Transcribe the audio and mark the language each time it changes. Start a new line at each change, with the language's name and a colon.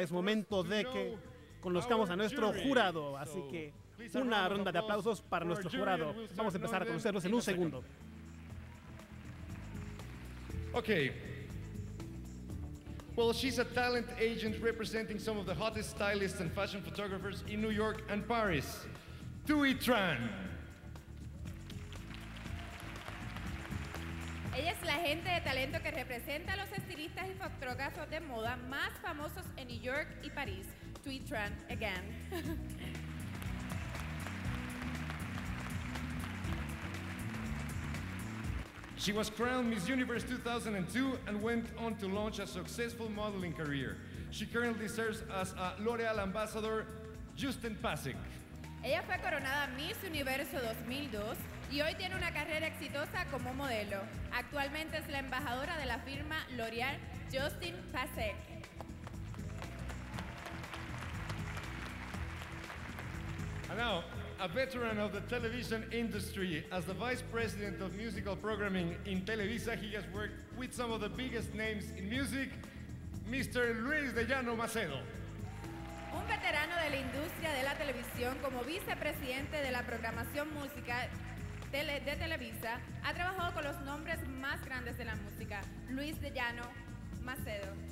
Spanish: Es momento de que conozcamos a nuestro jurado. Así que una ronda de aplausos para nuestro jurado. Vamos a empezar a conocerlos en un segundo.
English: Ok. Well, she's a talent agent representing some of the hottest stylists and fashion photographers in New York and Paris. Tui Tran.
Spanish: Ella es la agente de talento que representa a los estilistas y fotógrafos de moda más famosos en New York y París.
English: Tui Tran, again. She was crowned Miss Universe 2002 and went on to launch a successful modeling career. She currently serves as a L'Oreal ambassador, Justin Pasek.
Spanish: Ella fue coronada Miss Universo 2002 y hoy tiene una carrera exitosa como modelo. Actualmente es la embajadora de la firma L'Oreal, Justin Pasek.
English: And now, a veteran of the television industry, as the vice president of musical programming in Televisa, he has worked with some of the biggest names in music, Mr. Luis de Llano Macedo.
Spanish: Un veterano de la industria de la televisión como vicepresidente de la programación musical de Televisa, ha trabajado con los nombres más grandes de la música, Luis de Llano Macedo.